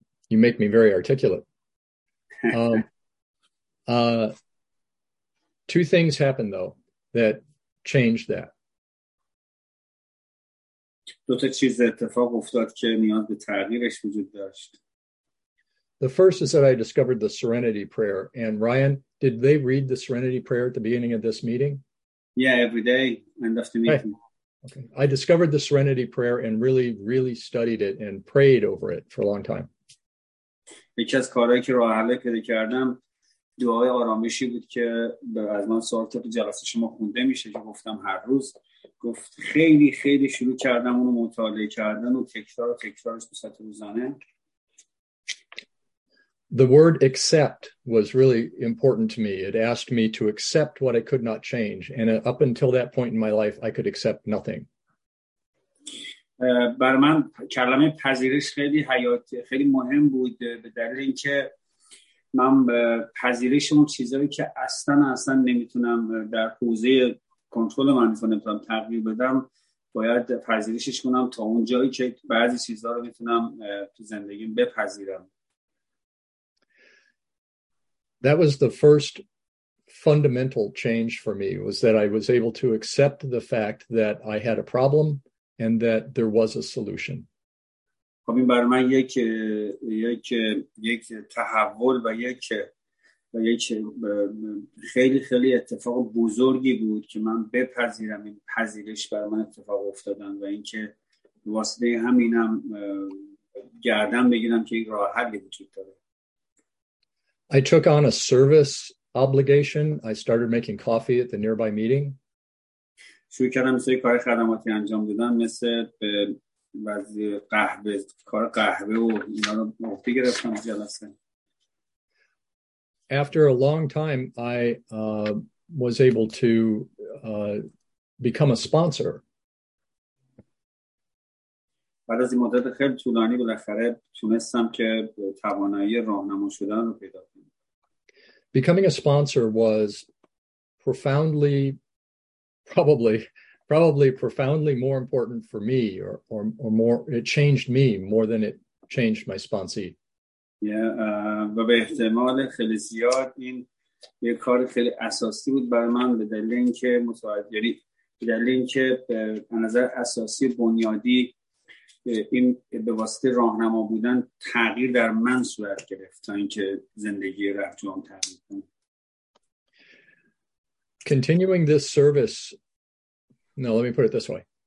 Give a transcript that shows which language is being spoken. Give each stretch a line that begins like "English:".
English: You make me very articulate. Two things happened though that changed that.
Persian: دو تا چیز اتفاق افتاد که نیاز به تغییرش وجود داشت.
English: The first is that I discovered the Serenity Prayer. And Ryan, did they read the Serenity Prayer at the beginning of this meeting? Yeah, every day, end of the meeting. Okay. I discovered the Serenity Prayer and really, really studied it and prayed over it for a long time.
Persian: یکی از کارهایی که راه حل پیدا کردم دعای آرامشی بود که از من سوال کرد جلسه شما خونده میشه که گفتم هر روز، گفت خیلی خیلی شروع کردم اونو مطالعه کردن و تکرار و تکرارش به صورت روزانه.
English: The word accept was really important to me. It asked me to accept what I could not change. And up until that point in my life, I could accept nothing.
Persian: بر من کلمه پذیرش خیلی حیاتی، خیلی مهم بود، به دلیل اینکه من پذیرش اون چیزایی که اصلا نمیتونم در حوزه کنترل من نمیتونم تغییر بدم، باید پذیرشش کنم تا اون جایی که بعضی چیزها رو میتونم تو زندگیم بپذیرم.
English: That was the first fundamental change for me, was that I was able to accept the fact that I had a problem and that there was a solution.
Persian: خب این برای من یک تحول و یک خیلی اتفاق بزرگی بود که من بپذیرم این پذیرش برای من اتفاق افتادن و اینکه واسطه همینم گردم بگیرم که این راه حلی وجود داره.
English: I took on a service obligation. I started making coffee at the nearby meeting.
Persian: شروع کردم سری کار خدماتی انجام دادم، مثل بعضی قهوه، کار قهوه و اینا رو عهده گرفتم جلسه.
English: After a long time, I was able to become a sponsor.
Persian: بعد از مدت خیلی طولانی بالاخره تونستم که توانایی راهنما شدن رو پیدا کنم.
English: Becoming a sponsor was profoundly more important for me, or more, it changed me more than it changed my sponsee.
Persian: و به احتمال خیلی زیاد این یه کار خیلی اساسی بود برای من، به دلیل اینکه به نظر اساسی بنیادی این به واسطه راهنما بودن تغییر در من صورت گرفت، تا اینکه زندگی رهجوام تغییر کنه.
English: Continuing this service, no, let me put it this way.